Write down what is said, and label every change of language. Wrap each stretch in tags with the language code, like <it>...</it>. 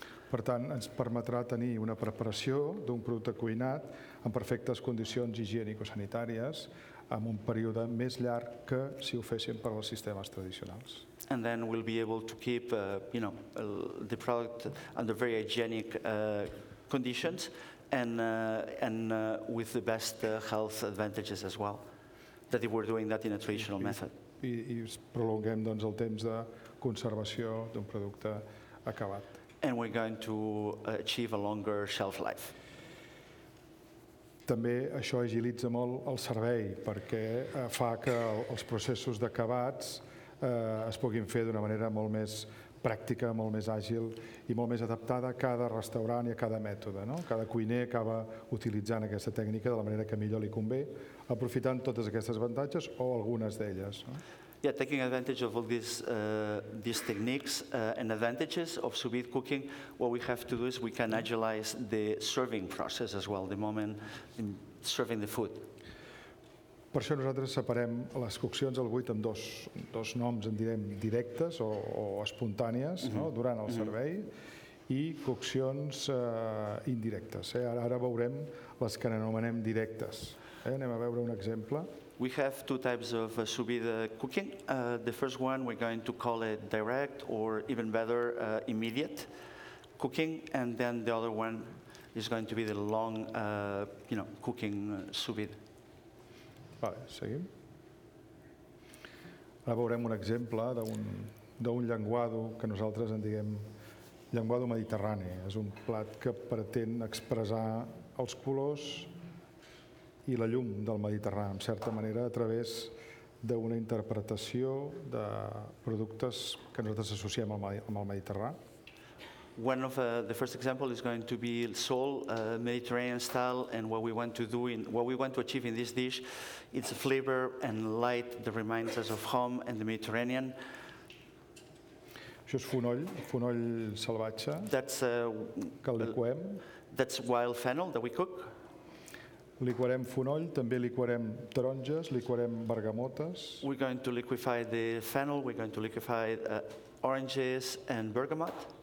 <ca>Per tant, ens permetrà tenir una preparació d'un producte cuinat en perfectes condicions higienico-sanitàries amb un període més llarg que si ho féssim per als sistemes tradicionals.</ca> <en>And then we'll be able to keep the product under very hygienic conditions and with the best health advantages as well that if we're doing that in a traditional method.</en> <ca>I prolonguem doncs el temps de conservació d'un producte acabat.</ca> <en>And we're going to achieve a longer shelf life.</en> <ca>També això agilitza molt el servei perquè fa que els processos d'acabats es puguin fer d'una manera molt més pràctica, molt més àgil I molt més adaptada a cada restaurant I a cada mètode. No? Cada cuiner acaba utilitzant aquesta tècnica de la manera que millor li convé, aprofitant totes aquestes avantatges o algunes d'elles. No?</ca> <en>Yeah, taking advantage of all these techniques and advantages of sous vide cooking, what we have to do is we can agilize the serving process as well, the moment in serving the food.</en> <ca>Per això nosaltres separem les coccions al buit amb dos noms, en direm directes o espontànies, mm-hmm. no? durant el mm-hmm. servei, I coccions indirectes. Ara veurem les que anomenem directes. Anem a veure un exemple.</ca> <en>We have two types of sous vide cooking. The first one we're going to call it direct or even better immediate cooking, and then the other one is going to be the long cooking sous vide.</en> <ca>Vale, seguim. Ara veurem un exemple d'un llenguado que nosaltres en diguem llenguado mediterrani. És un plat que pretén expressar els colors I la llum del Mediterrani, en certa manera, a través d'una interpretació de productes que nosaltres associem amb el Mediterrani.</ca> <en>One of the first example is going to be sole Mediterranean style, and what we want to do in what we want to achieve in this dish, it's a flavor and light that reminds us of home and the Mediterranean.</en> <ca>Això és fonoll salvatge.</ca> <en>That's</en> <ca>que liquem.</ca> <en>That's wild fennel that we cook.</en> <ca>Liquarem fonoll, també liquarem taronges, liquarem bergamotes.</ca> <en>We're going to liquefy the fennel. We're going to liquefy oranges and bergamot.</en>